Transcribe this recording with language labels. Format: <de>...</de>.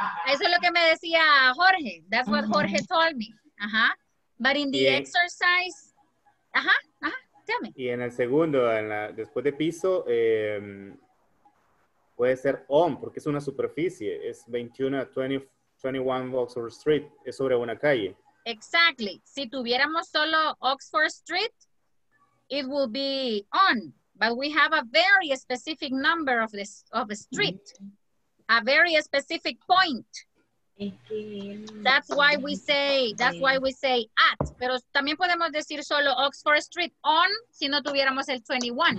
<es>Eso es lo que me decía Jorge.</es> <en>That's what Jorge told me.</en> <es>Ajá.</es> <en>But in the exercise, ajá, tell me.</en> <es>Y en el segundo, después de piso, puede ser on, porque es una superficie. Es 21 Oxford Street, es sobre una calle.</es> <en>Exactly.</en> <es>Si tuviéramos solo Oxford Street,</es> <en>it would be on. But we have a very specific number of this of a street, a very specific point. That's why we say at.</en> <es>Pero también podemos decir solo Oxford Street on si no tuviéramos el 21.</es>